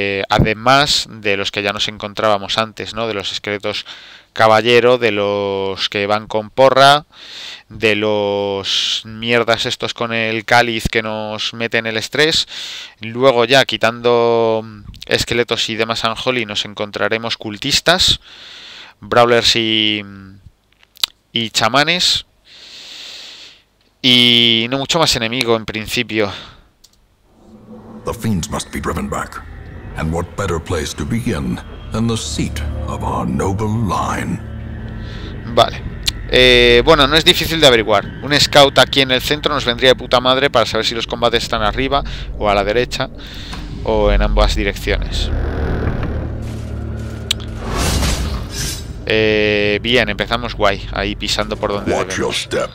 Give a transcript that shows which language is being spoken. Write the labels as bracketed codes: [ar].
[es] además de los que ya nos encontrábamos antes, ¿no? De los esqueletos caballero, de los que van con porra, de los mierdas estos con el cáliz que nos meten el estrés. Luego ya, quitando esqueletos y demás unholy, nos encontraremos cultistas, brawlers y chamanes. Y no mucho más enemigo, en principio. [en] The fiends must be driven back. And what better place to begin than the seat of our noble line. [es] Vale. Bueno, no es difícil de averiguar. Un scout aquí en el centro nos vendría de puta madre para saber si los combates están arriba o a la derecha o en ambas direcciones. Bien, empezamos guay, ahí pisando por donde debemos.